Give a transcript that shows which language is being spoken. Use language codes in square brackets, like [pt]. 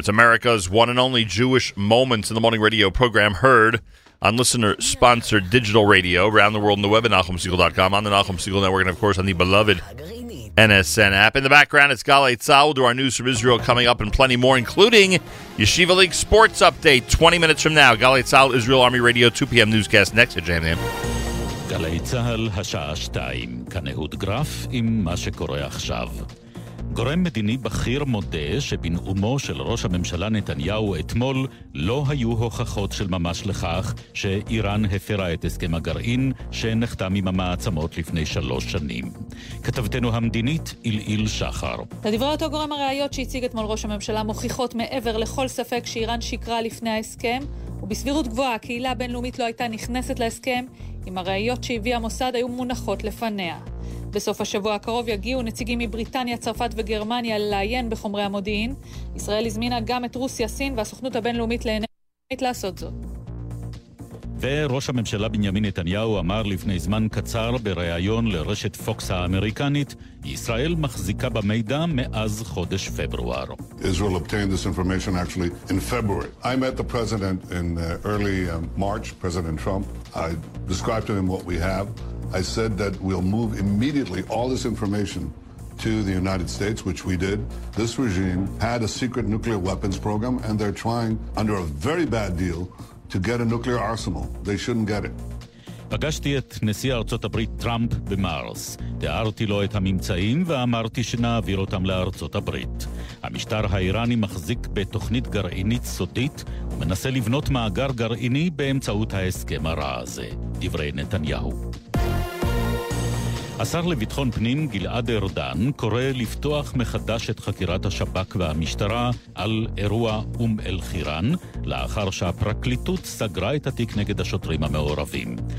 [en] It's America's one and only Jewish Moments in the Morning radio program heard on listener-sponsored digital radio around the world on the web at NachumSegal.com, on the Nachum Segal Network, and, of course, on the beloved NSN app. In the background, it's Galei Tzahal. We'll do our news from Israel coming up and plenty more, including Yeshiva League sports update 20 minutes from now. Galei Tzahal, Israel Army Radio, 2 p.m. newscast next at JM. [he] Galei Tzahal, השעה 2, כנהוד גרף עם מה שקורה עכשיו. גורם מדיני בכיר מודה שבנאומו של ראש הממשלה נתניהו אתמול לא היו הוכחות של ממש לכך שאיראן הפרה את הסכם הגרעין שנחתם עם המעצמות לפני 3 שנים. כתבתנו המדינית אליל שחר. לדברי אותו גורם, הראיות שהציג אתמול ראש הממשלה מוכיחות מעבר לכל ספק שאיראן שיקרה לפני ההסכם, ובסבירות גבוהה הקהילה הבינלאומית לא הייתה נכנסת להסכם אם הראיות שהביא המוסד היו מונחות לפניה. בסוף השבוע הקרוב יגיעו נציגים מבריטניה, צרפת וגרמניה לעיין בחומרי המודיעין. ישראל הזמינה גם את רוסיה, סין והסוכנות הבינלאומית לאנרגיה לעשות זאת. וראש הממשלה בנימין נתניהו אמר לפני זמן קצר בריאיון לרשת פוקס האמריקנית, ישראל מחזיקה במידע מאז חודש פברואר. [en] Israel obtained this information actually in February. I met the president in early March, President Trump. I described to him what we have. I said that we'll move immediately all this information to the United States, which we did. This regime had a secret nuclear weapons program, and they're trying, under a very bad deal, to get a nuclear arsenal. They shouldn't get it. [he] פגשתי את נשיא ארצות הברית טראמפ במארס. תיארתי לו את הממצאים ואמרתי שנעביר אותם לארצות הברית. המשטר האיראני מחזיק בתוכנית גרעינית סודית ומנסה לבנות מאגר גרעיני באמצעות ההסכם הרע הזה. דברי נתניהו. השר לביטחון פנים גלעד ארדן קורא לפתוח מחדש את חקירת השב"כ והמשטרה על אירוע אל-חיראן, לאחר שהפרקליטות סגרה את התיק נגד השוטרים המעורבים.